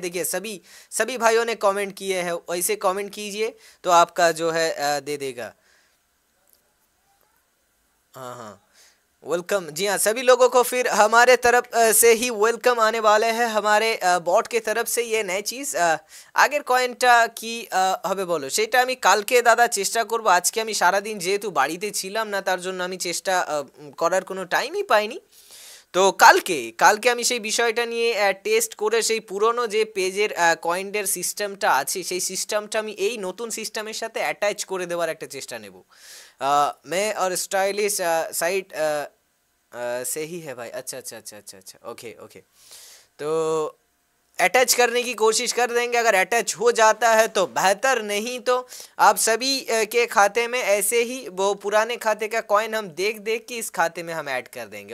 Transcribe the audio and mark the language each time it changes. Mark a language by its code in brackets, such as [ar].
[hi] देखिए सभी सभी भाइयों ने कमेंट किए हैं, वैसे कमेंट कीजिए तो आपका जो है दे देगा। हाँ, वेलकम जी हाँ, सभी लोगों को फिर हमारे तरफ से ही वेलकम आने वाले हैं, हमारे बॉट के तरफ से ये नई चीज़ आगे कॉइनटा की हमें बोलो [bn] সেটা আমি কালকে দাদা চেষ্টা করব। আজকে আমি সারা দিন যেহেতু বাড়িতে ছিলাম না, তার জন্য আমি চেষ্টা করার কোনো টাইমই পাইনি। তো কালকে কালকে আমি সেই বিষয়টা নিয়ে টেস্ট করে, সেই পুরনো যে পেজের কয়েনের সিস্টেমটা আছে, সেই সিস্টেমটা আমি এই নতুন সিস্টেমের সাথে অ্যাটাচ করে দেওয়ার একটা চেষ্টা নেব। [hi] मैं और स्टाइलिश साइट से ही है भाई। अच्छा, ओके ओके, तो अटैच करने की कोशिश कर देंगे। अगर अटैच हो जाता है तो बेहतर, नहीं तो आप सभी के खाते में ऐसे ही वो पुराने खाते का कॉइन हम देख देख के इस खाते में हम ऐड कर देंगे।